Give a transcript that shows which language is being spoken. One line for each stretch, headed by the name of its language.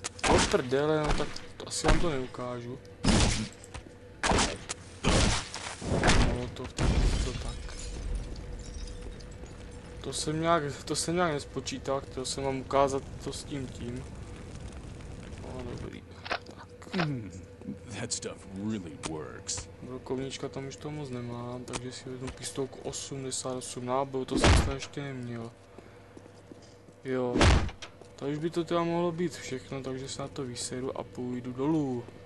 Czech: O prdele, no tak to, asi vám to neukážu. No to, to tak. To jsem nějak nespočítal, chtěl jsem vám ukázat to s tím. O, dobrý. Tak.
English: That stuff really works.
Czech: Brokovnička tam už to moc nemám, takže si vezmu pistolku 88 nábojů, to jsem se ještě neměl. Jo. Tady už by to teda mohlo být všechno, takže se na to vyseru a půjdu dolů.